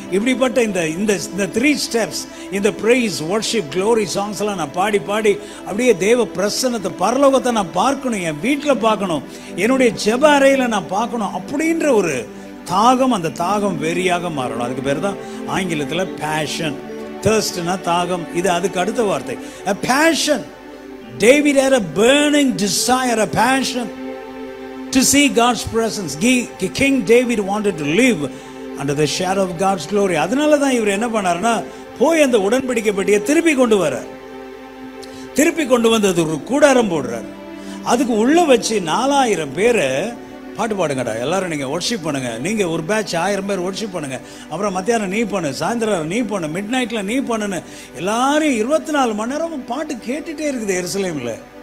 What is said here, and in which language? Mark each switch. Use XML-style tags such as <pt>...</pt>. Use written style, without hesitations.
<ta>இப்படிப்பட்ட இந்த இந்த இந்த த்ரீ ஸ்டெப்ஸ், இந்த ப்ரைஸ் வர்ஷிப் க்ளோரி சாங்ஸ் எல்லாம் நான் பாடி பாடி அப்படியே தேவ பிரசன்னத்தை, பரலோகத்தை நான் பார்க்கணும், என் வீட்டில் பார்க்கணும், என்னுடைய ஜெப அறையில் நான் பார்க்கணும் அப்படின்ற ஒரு தாகம், அந்த தாகம் வெறியாக மாறணும். அதுக்கு பேர் தான் ஆங்கிலத்தில் பேஷன், thirst-னா தாகம். இது அதுக்கு அடுத்த வார்த்தை, a passion.</ta> <en>David had a burning desire, a passion to see God's presence. King David wanted to live under the shadow of God's glory.</en> <ta>அதனால தான் இவர் என்ன பண்ணார்னா போய் அந்த உடன்படிக்கைப்பட்டியை திருப்பி கொண்டு வரார். திருப்பி கொண்டு வந்தது ஒரு கூடாரம் போடுறார், அதுக்கு உள்ள வச்சு 4000 பேரை பாட்டு பாடுங்கடா, எல்லாரும் நீங்க ஒர்ஷிப் பண்ணுங்க, நீங்க ஒரு பேட்ச் 1000 பேர் ஒர்ஷிப் பண்ணுங்க, அப்புறம் மத்தியானம் நீ பண்ணு, சாயந்தரம் நீ பண்ணு, மிட் நைட்ல நீ பண்ணு, எல்லாரும் 24 மணி நேரமும் பாட்டு கேட்டுட்டே இருக்குது எருசலேம்ல.</ta>